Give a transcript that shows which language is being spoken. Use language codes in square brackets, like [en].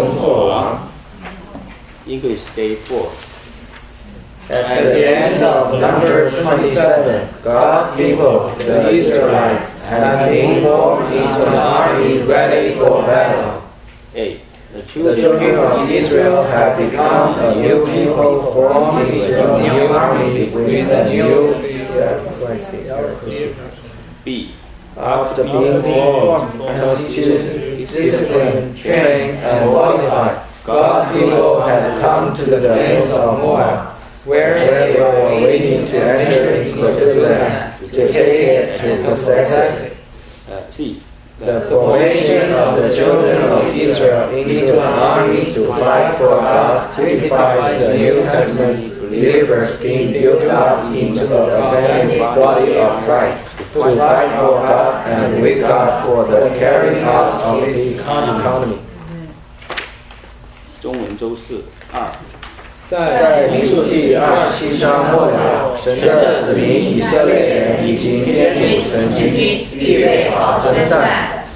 [zh] 耶稣已经得胜，召会在地上的工作就是维持基督的得胜。我们要从事属灵的征战，就必须认识身体，认识升天，并在生命中作王。English [en] day 4. At the end of Numbers 27, God's people, the Israelites, have been formed into an army ready for battle. The children of Israel have become a new people, forming into a new army with a new B. After being formed, constituted, disciplined, trained, and qualified, God's people had come to the plains of Moab, where they were waiting to enter into a good land, to take it, to possess it. C. The formation of the children of Israel into an army to fight for God typifies the New Testament believers being built up into the organic body of Christ to fight for God and with God for the carrying out of His economy. [zh] 中文周四二，在民数记27章末了，神的子民以色列人已经列祖成军，预备好征战。